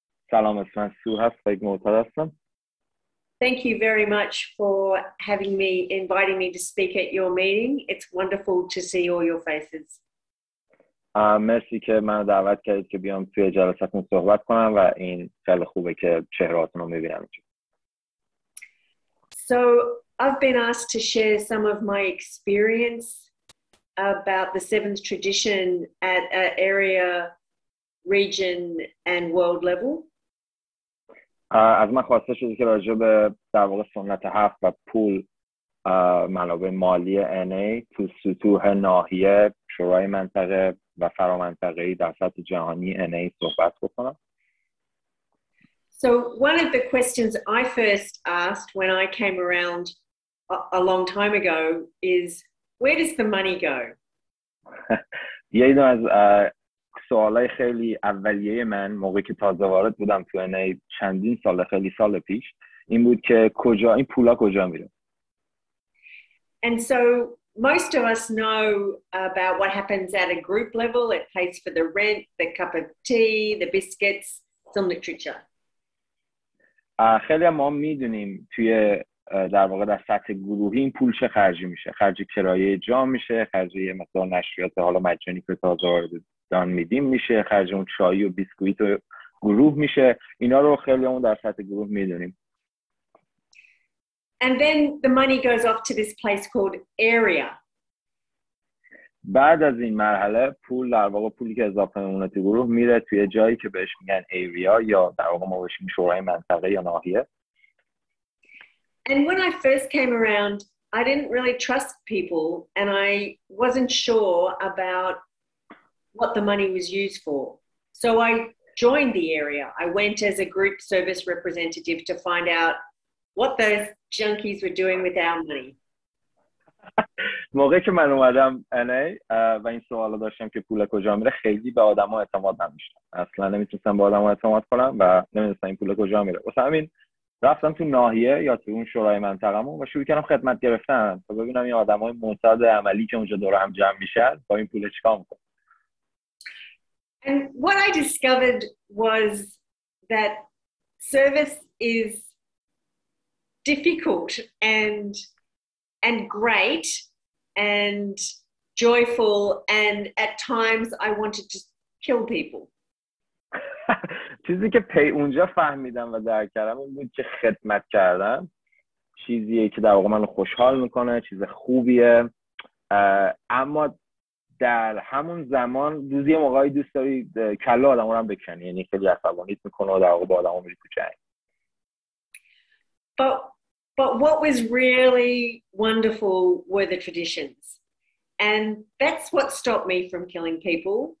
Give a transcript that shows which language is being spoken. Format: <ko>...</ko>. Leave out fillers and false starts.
<fa>سلام، من سوه هستم، یک معتاد هستم.</fa> <en>Thank you very much for inviting me to speak at your meeting. It's wonderful to see all your faces.</en> <fa>مرسی که منو دعوت کردید که بیام توی جلسه‌تون صحبت کنم و این خیلی خوبه که چهره‌هاتون رو می‌بینم.</fa> <en>So I've been asked to share some of my experience about the seventh tradition at an area, region and world level.</en> <fa>از من خواسته شده که راجع به در واقع سنت هفت و پول منابع مالی NA تو سطوح ناحیه، شورای منطقه و فرامنطقه‌ای در سطح جهانی NA صحبت بکنم.</fa> <en>So one of the questions I first asked when I came around a long time ago is where does the money go?</en> <fa>یه دو از سوالای خیلی اولیه من موقعی که تازه وارد بودم تو NA چندین سال، خیلی سال پیش، این بود که کجا این پولا کجا میره.</fa> <en>And so most of us know about what happens at a group level. It pays for the rent, the cup of tea, the biscuits, some literature.</en> <fa>خیلی ما میدونیم توی در واقع در سطح گروهی این پول چه خرجی میشه. خرج کرایه جا میشه، خرج یه مقدار نشریات حالا مجانی که تازه واردان میدیم میشه، خرج اون چای و بیسکویت و گروه میشه. اینا رو خیلی همون در سطح گروه میدونیم.</fa> <en>And then the money goes off to this place called area.</en> <fa>بعد از این مرحله پول در واقع پولی که اضافه میمونه تو گروه میره توی جایی که بهش میگن ایریا یا در واقع ما بهش میگیم شورای منطقه یا ناحیه.</fa> <en>And when I first came around, I didn't really trust people and I wasn't sure about what the money was used for. So I joined the area. I went as a group service representative to find out what those junkies were doing with our money.</en> <fa>موقعی که من اومدم انه و این سوالو داشتم که پول کجا میره، خیلی به آدما اعتماد نداشتم، اصلا نمیتونستم به آدما اعتماد کنم و نمیدونستم این پول کجا میره. واسه همین رفتم تو ناحیه یا تو اون شورای منطقه‌مون و شروع کردم خدمت گرفتن تا ببینم این آدمای معتاد عملی که اونجا دور هم جمع میشن با این پول چیکار میکنن.</fa> <en>And what I discovered was that service is difficult and great and joyful, and at times I wanted to kill people.</en> <fa>چیزی که پی اونجا فهمیدم و درک کردم این بود که خدمت کردم چیزیه که در واقع من خوشحال میکنه، چیز خوبیه، اما در همون زمان روزی موقعی دوست داری کله آدم رو هم بکنی، یعنی خیلی عصبانیت میکنه و در واقع با آدم رو میری تو جنگ.</fa> <en>But what was really wonderful were the traditions. And that's what stopped me from killing people.</en>